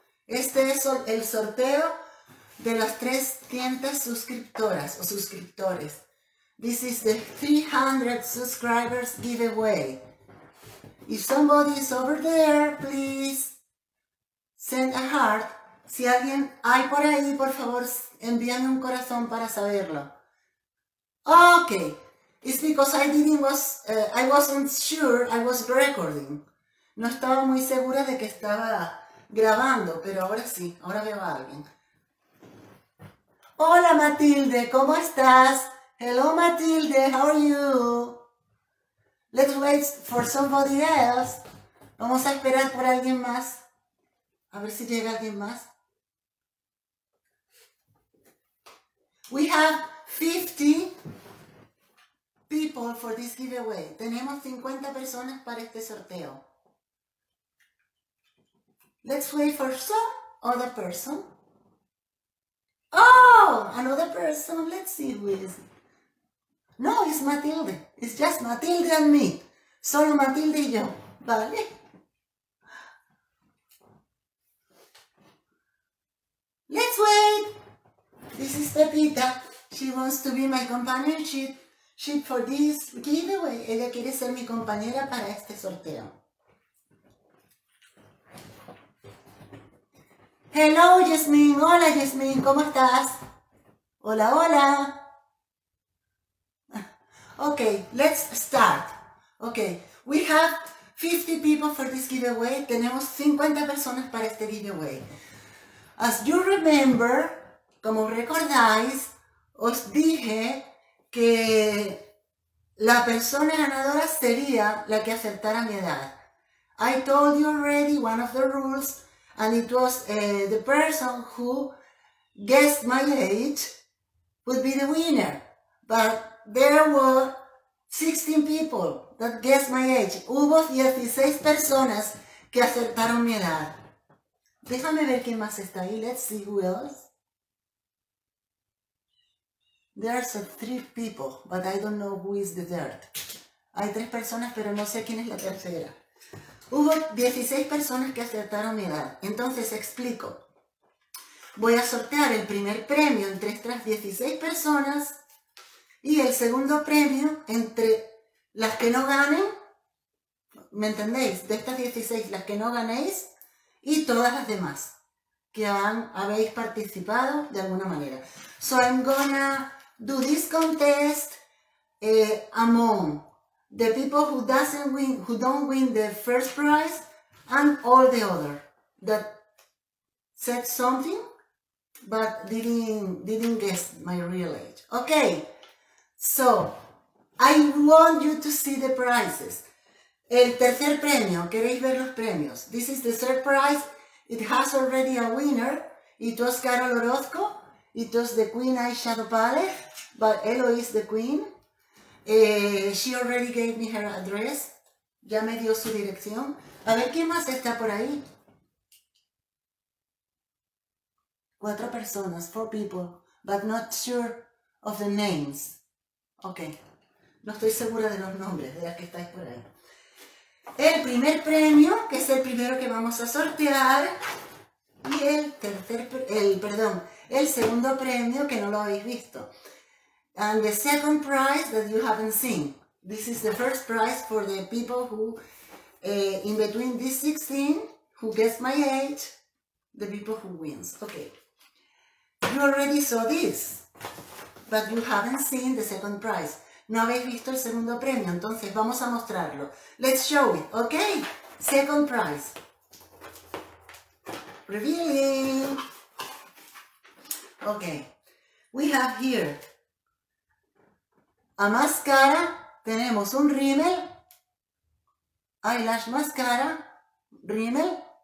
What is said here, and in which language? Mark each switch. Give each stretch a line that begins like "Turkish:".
Spanish: Este es el sorteo de las 300 suscriptoras o suscriptores.
English: This is the 300 subscribers giveaway. If somebody is over there, please send a heart.
Spanish: Si alguien hay por ahí, por favor, envíame un corazón para saberlo.
English: Okay, it's because I wasn't sure I was recording.
Spanish: No estaba muy segura de que estaba grabando, pero ahora sí, ahora veo a alguien. Hola Matilde, ¿cómo estás?
English: Hello Matilde, how are you? Let's wait for somebody else.
Spanish: Vamos a esperar por alguien más. A ver si llega alguien más.
English: We have 50 people for this giveaway.
Spanish: Tenemos 50 personas para este sorteo.
English: Let's wait for some other person. Oh, another person. Let's see who is. No, it's Matilde. It's just Matilde and me.
Spanish: Solo Matilde y yo. Vale.
English: Let's wait. This is Pepita. She wants to be my companionship for this giveaway.
Spanish: Ella quiere ser mi compañera para este sorteo.
English: Hello, Yasmin.
Spanish: Hola, Yasmin. ¿Cómo estás? Hola, hola.
English: Okay, let's start. Okay, we have 50 people for this giveaway.
Spanish: Tenemos 50 personas para este giveaway.
English: As you remember,
Spanish: como recordáis, os dije que la persona ganadora sería la que acertara mi edad.
English: I told you already one of the rules. And it was the person who guessed my age would be the winner. But there were 16 people that guessed my age.
Spanish: Hubo 16 personas que acertaron mi edad. Déjame ver quién más está ahí.
English: Let's see who else. There's three people, but I don't know who is the third.
Spanish: Hay tres personas, pero no sé quién es la tercera. Hubo 16 personas que acertaron mi edad. Entonces explico. Voy a sortear el primer premio entre estas 16 personas y el segundo premio entre las que no ganen. ¿Me entendéis? De estas 16, las que no ganéis y todas las demás que habéis participado de alguna manera.
English: So I'm gonna do this contest among the people who doesn't win, who don't win the first prize, and all the other that said something but didn't guess my real age. Okay, so I want you to see the prizes.
Spanish: El tercer premio, ¿queréis ver los premios?
English: This is the third prize. It has already a winner. It was Carol Orozco. It was the Queen Eyeshadow Palette, but Eloise the Queen. She already gave me her address.
Spanish: Ya me dio su dirección. A ver, ¿quién más está por ahí? Cuatro personas,
English: four people, but not sure of the names.
Spanish: Ok, no estoy segura de los nombres de las que estáis por ahí. El primer premio, que es el primero que vamos a sortear, y el segundo premio que no lo habéis visto.
English: And the second prize that you haven't seen. This is the first prize for the people who, in between these 16, who guess my age, the people who wins. Okay. You already saw this, but you haven't seen the second prize.
Spanish: No habéis visto el segundo premio, entonces vamos a mostrarlo.
English: Let's show it. Okay. Second prize. Revealing. Okay. We have here.
Spanish: A máscara, tenemos un rímel, eyelash máscara, rímel.